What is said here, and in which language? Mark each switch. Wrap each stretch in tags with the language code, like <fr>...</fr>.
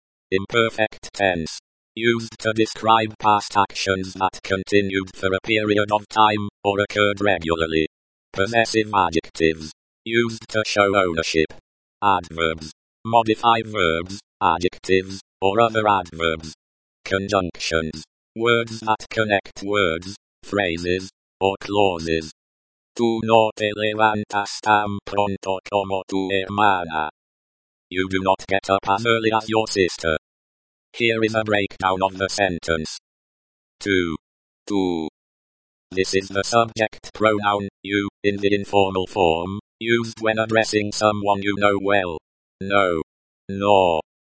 <en>Imperfect tense. Used to describe past actions that continued for a period of time, or occurred regularly. Possessive adjectives. Used to show ownership. Adverbs. Modify verbs, adjectives, or other adverbs. Conjunctions. Words that connect words, phrases, or clauses.</en> <es>Tú no te levantas tan pronto como tu hermana.</es> <en>You do not get up as early as your sister. Here is a breakdown of the sentence. Tú. Tú. This is the subject pronoun, you, in the informal form, used when addressing someone you know well. No. No.</en>